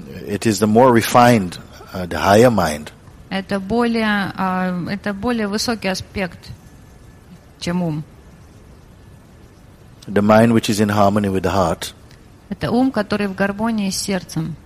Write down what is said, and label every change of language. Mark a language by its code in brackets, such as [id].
[en] It is the more refined, the higher mind. [ru] Это более высокий аспект, чем ум. [en] The mind which is in harmony with the heart. [ru] Это ум, который в гармонии с сердцем.